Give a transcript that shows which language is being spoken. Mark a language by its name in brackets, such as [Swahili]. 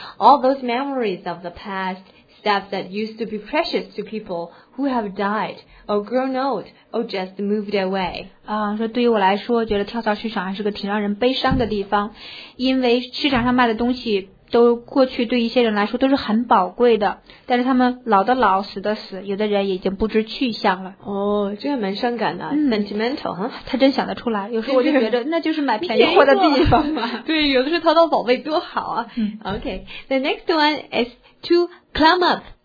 [English] All those memories of the past, stuff that used to be precious to people who have died, or grown old, or just moved away. [Chinese] 说对于我来说，觉得跳蚤市场还是个挺让人悲伤的地方，因为市场上卖的东西都过去对一些人来说都是很宝贵的，但是他们老的老，死的死，有的人已经不知去向了。这个蛮伤感的。Sentimental, 他真想得出来，有时候我就觉得那就是买便宜货的地方嘛。对，有的是淘到宝贝多好啊。 [English] Okay, the next one is to climb up.